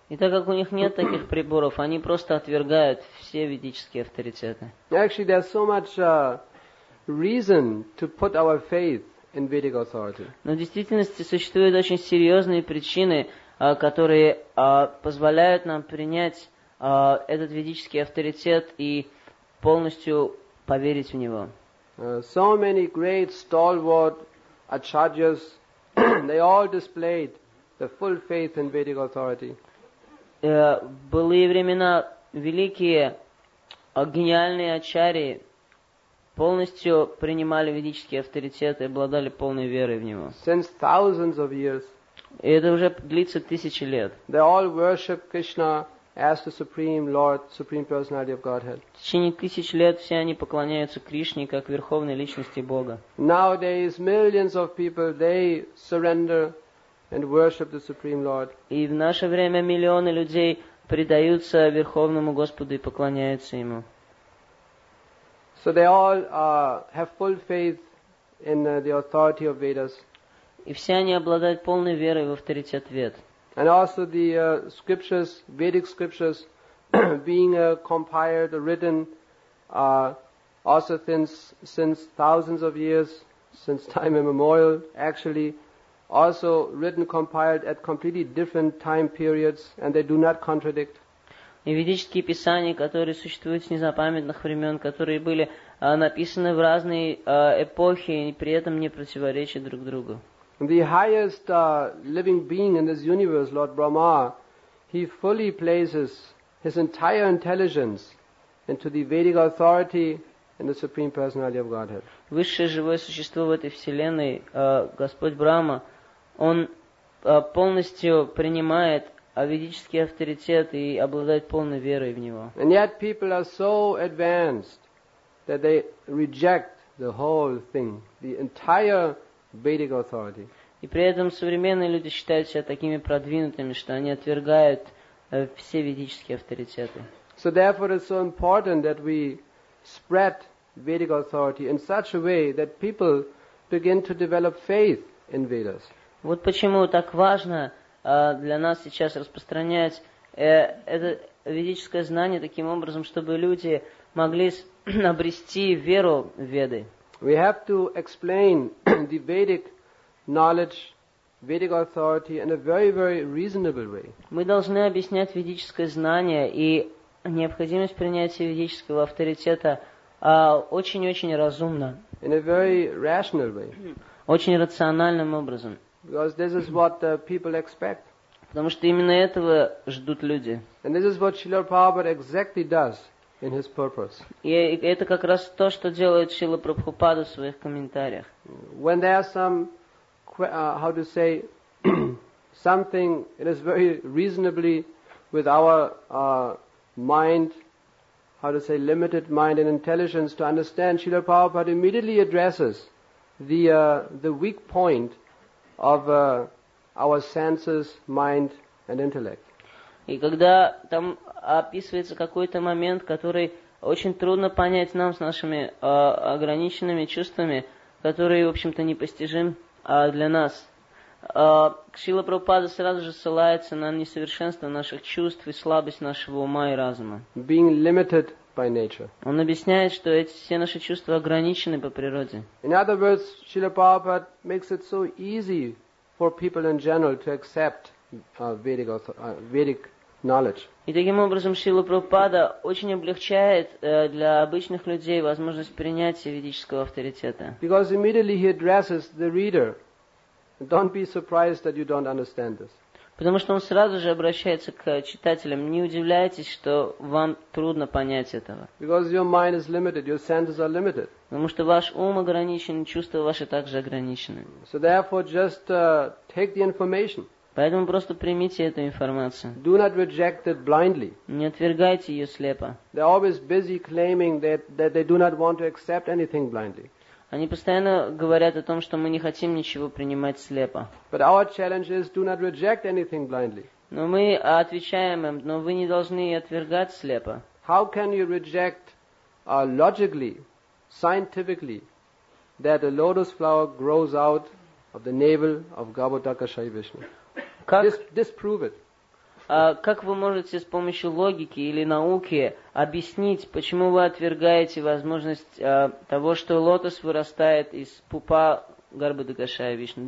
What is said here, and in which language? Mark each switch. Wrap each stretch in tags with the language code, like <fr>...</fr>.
<ru>И так как у них нет таких приборов, они просто отвергают все ведические авторитеты.</ru> <en>Actually, there's so much reason to put our faith in Vedic authority.</en> <ru>Но в действительности существуют очень серьезные причины, которые позволяют нам принять этот ведический авторитет и полностью поверить в него.</ru> <en>So many great stalwart acharyas, they all displayed the full faith in Vedic authority.</en> <ru>Были времена великие, гениальные ачарьи полностью принимали ведические авторитеты и обладали полной верой в него.</ru> <en>Since thousands of years.</en> <ru>И это уже длится тысячи лет.</ru> <en>They all worship Krishna as the Supreme Lord, Supreme Personality of Godhead.</en> <ru>В течение тысяч лет все они поклоняются Кришне как верховной личности Бога.</ru> <en>Nowadays, millions of people, they surrender and worship the Supreme Lord.</en> <ru>И в наше время миллионы людей предаются Верховному Господу и поклоняются Ему.</ru> <en>So they all have full faith in the authority of Vedas.</en> <ru>И все они обладают полной верой в авторитет Вед.</ru> <en>And also the scriptures, Vedic scriptures, being compiled or written also since thousands of years, since time immemorial, actually also written, compiled at completely different time periods, and they do not contradict.</en> <ru>И ведические писания, которые существуют с незапамятных времен, которые были написаны в разные эпохи, и при этом не противоречат друг другу.</ru> <en>The highest living being in this universe, Lord Brahma, he fully places his entire intelligence into the Vedic authority and the Supreme Personality of Godhead.</en> <ru>Высшее живое существо в этой вселенной, Господь Брахма, он полностью принимает ведический авторитет и обладает полной верой в него.</ru> <en>And yet people are so advanced that they reject the whole thing, the entire Vedic authority.</en> <ru>И при этом современные люди считают себя такими продвинутыми, что они отвергают все ведические авторитеты.</ru> <en>So therefore it's so important that we spread Vedic authority in such a way that people begin to develop faith in Vedas.</en> <ru>Вот почему так важно для нас сейчас распространять это ведическое знание таким образом, чтобы люди могли обрести веру в Веды.</ru> <en>We have to explain the Vedic knowledge, Vedic authority in a very, very reasonable way.</en> <ru>Мы должны объяснять ведическое знание и необходимость принятия ведического авторитета очень-очень разумно.</ru> <en>In a very rational way.</en> <ru>Очень рациональным образом.</ru> <en>Because this is what the people expect.</en> <ru>Потому что именно этого ждут люди.</ru> <en>And this is what Srila Prabhupada exactly does in his purpose.</en> <ru>И это как раз то, что делает Шрила Прабхупада в своих комментариях.</ru> <en>When there are some, how to say, something, it is very reasonably with our mind, how to say, limited mind and intelligence to understand, Srila Prabhupada immediately addresses the weak point of our senses, mind and intellect.</en> <ru>И когда там описывается какой-то момент, который очень трудно понять нам с нашими ограниченными чувствами, которые, в общем-то, непостижим для нас. Шрила Прабхупада сразу же ссылается на несовершенство наших чувств и слабость нашего ума и разума.</ru> <en>Being limited by nature.</en> <ru>Он объясняет, что эти все наши чувства ограничены по природе.</ru> <en>In other words, Srila Prabhupada makes it so easy for people in general to accept Vedic knowledge.</en> <ru>И таким образом Шрила Прабхупада очень облегчает для обычных людей возможность принятия ведического авторитета.</ru> <en>Because immediately he addresses the reader. Don't be surprised that you don't understand this.</en> <ru>Потому что он сразу же обращается к читателям. Не удивляйтесь, что вам трудно понять этого.</ru> <en>Because your mind is limited, your senses are limited.</en> <ru>Потому что ваш ум ограничен, чувства ваши также ограничены.</ru> <en>So therefore, just take the information.</en> <ru>Поэтому просто примите эту информацию.</ru> <en>Do not reject it blindly.</en> <ru>Не отвергайте ее слепо.</ru> <en>They're always busy claiming that they do not want to accept anything blindly.</en> <ru>Они постоянно говорят о том, что мы не хотим ничего принимать слепо.</ru> <en>But our challenge is, do not reject anything blindly.</en> <ru>Но мы отвечаем им, но вы не должны отвергать слепо.</ru> <en>How can you reject logically, scientifically, that a lotus flower grows out of the navel of Gavodaka Shai Vishnu?</en> <ru>Как,</ru> <en>disprove it.</en> <ru>Как вы можете с помощью логики или науки объяснить, почему вы отвергаете возможность того, что лотос вырастает из пупа Гарбы Дакашая Вишны?</ru>